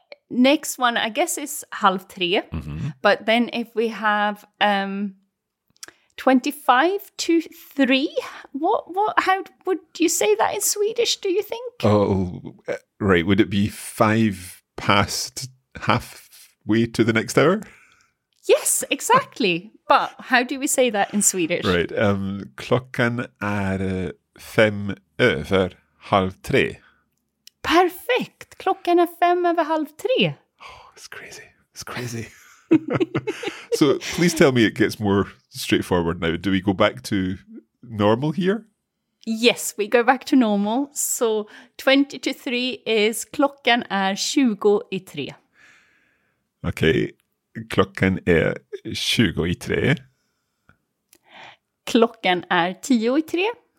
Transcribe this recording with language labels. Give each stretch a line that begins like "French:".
English: next one, I guess, is halv tre. Mm-hmm. But then if we have 25 to three, how would you say that in Swedish, do you think? Oh, right. Would it be five past halfway to the next hour? Yes, exactly. But how do we say that in Swedish? Right.
Swedish: Klockan är fem över halv tre. Perfekt. Klockan är fem över halv tre.
English: Oh, it's crazy. It's crazy. So please tell me it gets more straightforward now. Do we go back to normal here? Yes, we go back to normal. So 20 to three is
Swedish: klockan är 20 i tre. Okay. Klockan är 20 i tre. Klockan är 10 i tre.